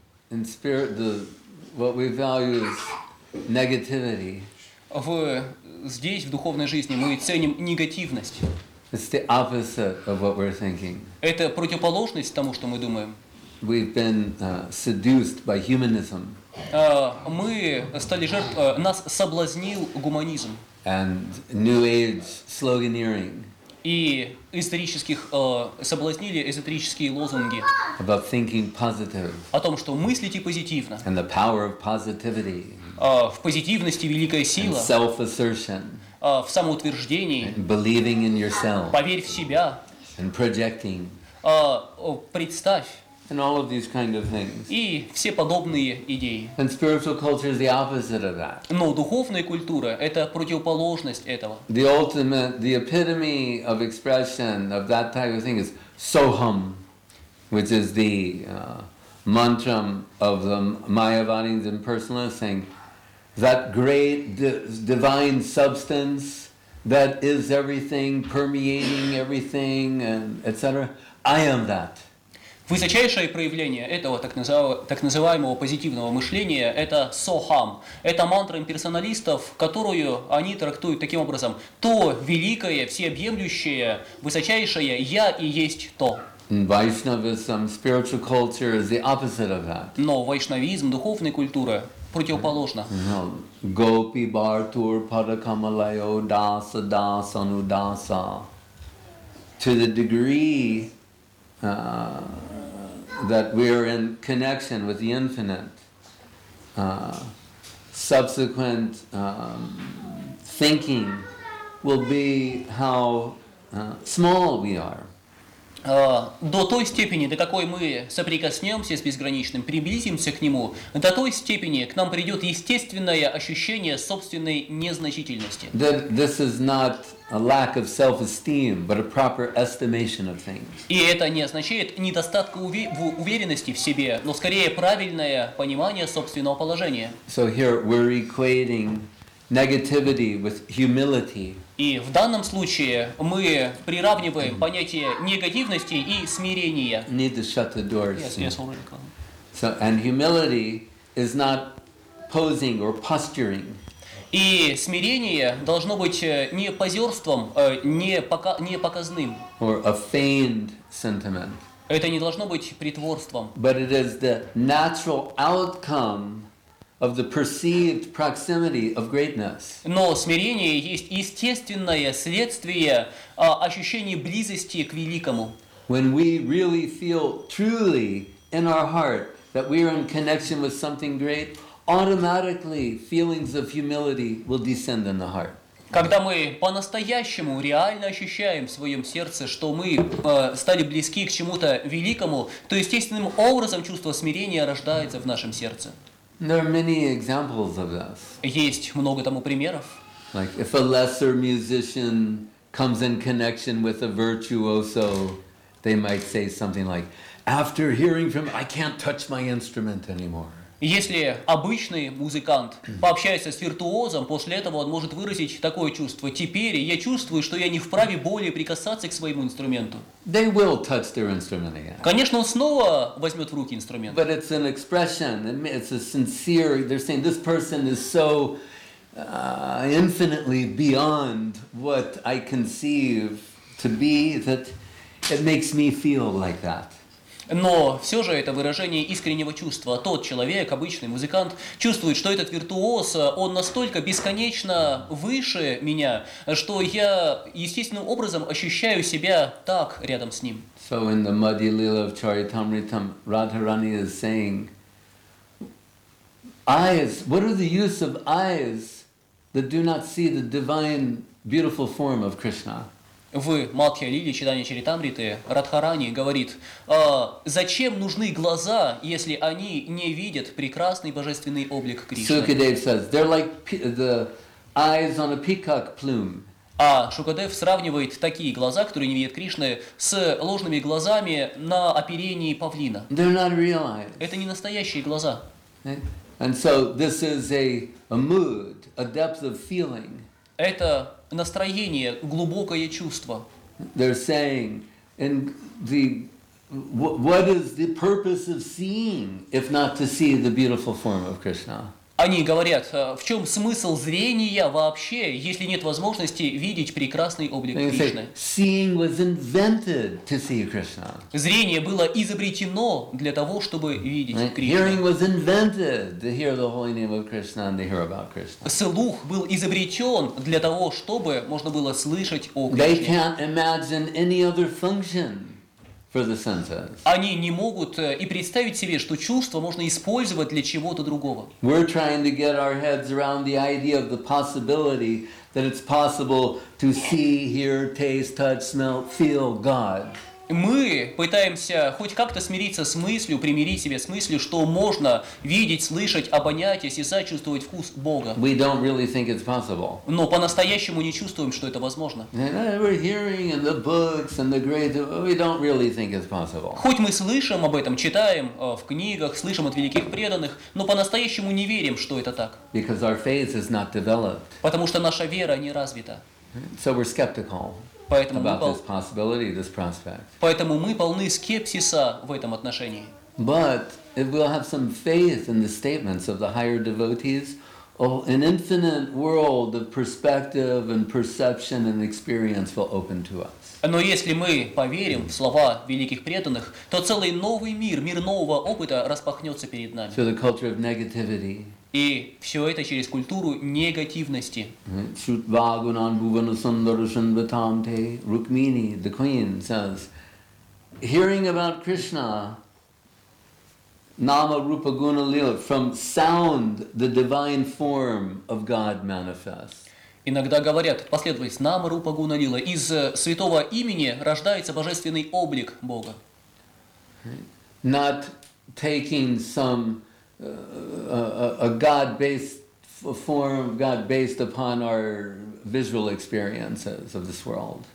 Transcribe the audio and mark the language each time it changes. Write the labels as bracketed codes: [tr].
[en] In spirit, the what we value is negativity. [ru] В здесь, в духовной жизни, мы ценим негативность. [en] It's the opposite of what we're thinking. [ru] Это противоположность тому, что мы думаем. [en] We've been seduced by humanism. [ru] Мы стали жертвой, нас соблазнил гуманизм. [en] And New Age sloganeering. [ru] И исторических соблазнили эзотерические лозунги [en] about thinking positive. [ru] О том, что мыслите позитивно. [en] And the power of positivity. [ru] В позитивности великая сила. [en] And self-assertion. [ru] В самоутверждении. [en] And believing in yourself. [ru] Поверь в себя. [en] And projecting. [ru] Представь. [en] And all of these kind of things. [ru] И все подобные идеи. [en] And spiritual culture is the opposite of that. [ru] Но духовная культура — это противоположность этого. [en] The ultimate, the epitome of expression of that type of thing is soham, which is the mantra of the Mayavadins and personalists saying that great divine substance that is everything, permeating everything, and etc. I am that. [ru] Высочайшее проявление этого так называемого позитивного мышления – это «сохам». Это мантра имперсоналистов, которую они трактуют таким образом. То великое, всеобъемлющее, высочайшее «я» и есть то. [en] Vaishnavism, spiritual culture is the opposite of that. [ru] Но вайшнавизм, духовная культура, противоположна. [sa] Гопи, бартур, падакамалайо, даса, даса, нудаса. [en] To the degree... that we are in connection with the infinite. Subsequent thinking will be how small we are. [ru] До той степени, до какой мы соприкоснемся с безграничным, приблизимся к нему, до той степени к нам придет естественное ощущение собственной незначительности. [en] That this is not a lack of self-esteem, but a proper estimation of things. [ru] И это не означает недостатка уверенности в себе, но скорее правильное понимание собственного положения. [en] So here we're equating negativity with humility. [ru] И в данном случае мы приравниваем понятие негативности и смирения. [en] Need to shut the doors. Yes, yes, so, and humility is not posing or posturing. [ru] И смирение должно быть не позерством, не показным. [en] Or a feigned sentiment. [ru] Это не должно быть притворством. [en] But it is the natural outcome of the perceived proximity of greatness. [ru] Но смирение есть естественное следствие ощущения близости к великому. [en] When we really feel truly in our heart that we are in connection with something great, automatically feelings of humility will descend in the heart. [ru] Когда мы по-настоящему реально ощущаем в своем сердце, что мы стали близки к чему-то великому, то естественным образом чувство смирения рождается в нашем сердце. [en] There are many examples of this. [ru] Есть много тому примеров. [en] Like if a lesser musician comes in connection with a virtuoso, they might say something like, after hearing from, I can't touch my instrument anymore. [ru] Если обычный музыкант пообщается с виртуозом, после этого он может выразить такое чувство. Теперь я чувствую, что я не вправе более прикасаться к своему инструменту. [en] They will touch their instrument again. [ru] Конечно, он снова возьмет в руки инструмент. [en] But it's an expression, it's a sincere, they're saying this person is so infinitely beyond what I conceive to be that it makes me feel like that. [ru] Но все же это выражение искреннего чувства. Тот человек, обычный музыкант, чувствует, что этот виртуоз, он настолько бесконечно выше меня, что я естественным образом ощущаю себя так рядом с ним. [en] So in the muddy lila of Charitamritam, Radharani is saying, eyes, what are the use of eyes that do not see the divine beautiful form of Krishna? [ru] В Мадхья Лиле, читание Чаритамриты, Радхарани говорит, зачем нужны глаза, если они не видят прекрасный божественный облик Кришны? [en] Sukadev says, they're like the eyes on a peacock plume. [ru] А Шукадев сравнивает такие глаза, которые не видят Кришны, с ложными глазами на оперении павлина. [en] They're not real eyes. [ru] Это не настоящие глаза. [en] And so this is a mood, a depth of feeling. [ru] Это настроение, глубокое чувство. [en] They're saying, in the What is the purpose of seeing, if not to see the beautiful form of Krishna? [ru] Они говорят, в чем смысл зрения вообще, если нет возможности видеть прекрасный облик Кришны? [en] Seeing was invented to see Krishna. [ru] Зрение было изобретено для того, чтобы видеть Кришну. [en] Hearing was invented to hear the holy name of Krishna and to hear about Krishna. [ru] Слух был изобретен для того, чтобы можно было слышать о Кришне. [en] They can't imagine any other function. For the senses. [ru] Они не могут и представить себе, что чувство можно использовать для чего-то другого. [en] We're trying to get our heads around the idea of the possibility that it's possible to see, hear, taste, touch, smell, feel God. [ru] Мы пытаемся хоть как-то смириться с мыслью, примирить себя с мыслью, что можно видеть, слышать, обонять, осязать, чувствовать вкус Бога. [en] We don't really think it's possible. [ru] Но по-настоящему не чувствуем, что это возможно. [en] We're hearing in the books and the great, we don't really think it's possible. [ru] Хоть мы слышим об этом, читаем в книгах, слышим от великих преданных, но по-настоящему не верим, что это так. [en] Because our faith is not developed. [ru] Потому что наша вера не развита. [en] So we're skeptical. About this possibility, this prospect. [ru] Поэтому мы полны скепсиса в этом отношении. [en] But if we'll have some faith in the statements of the higher devotees, oh, an infinite world of perspective and perception and experience will open to us. [ru] Но если мы поверим в слова великих преданных, то целый новый мир, мир нового опыта распахнется перед нами. [en] Through the culture of negativity. [ru] И все это через культуру негативности. [sa] Shrutvagunan Bhuvanasundarasundvatamte [en] Rukmini, the queen, says, hearing about Krishna, nama rupa guna lila, from sound the divine form of God manifests. [ru] Иногда говорят, последовательность нама рупа гуна лила, из святого имени рождается божественный облик Бога. [en] Not taking some a God-based form, God-based upon our visual experiences of this world.